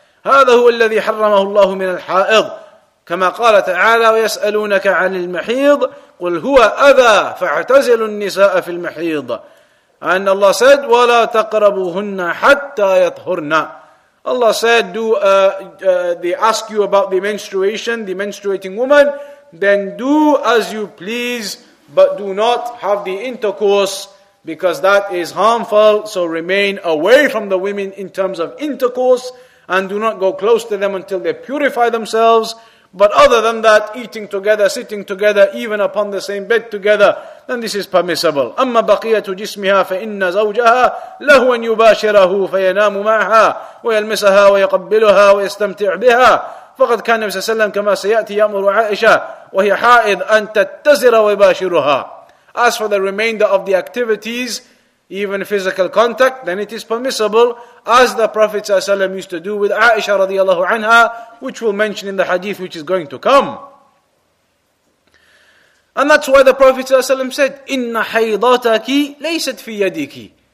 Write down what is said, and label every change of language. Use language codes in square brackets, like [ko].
[ar] هذا هو الذي حرمه الله من الحائض كما قال تعالى ويسألونك عن المحيض قل هو أذى فاعتزلوا النساء في المحيض. [en] And Allah said [ar] ولا تقربوهن حتى يطهرن. [en] Allah said they ask you about the menstruation, the menstruating woman, then do as you please, but do not have the intercourse because that is harmful. So remain away from the women in terms of intercourse, and do not go close to them until they purify themselves. But other than that, eating together, sitting together, even upon the same bed together, then this is permissible. [ar] أما بقية جسمها فإن زوجها له أن يباشره فينام معها ويلمسها ويقبلها ويستمتع بها. فقد كان النبي صلى الله عليه وسلم كما سيأتي يأمر عائشة وهي حائض أن تتزر ويباشرها. [en] As for the remainder of the activities, even physical contact, then it is permissible, as the Prophet ﷺ used to do with Aisha radiallahu anha, which we'll mention in the hadith which is going to come. And that's why the Prophet ﷺ said, [ar] إِنَّ حَيْضَاتَكِ لَيْسَتْ فِي يَدِكِ.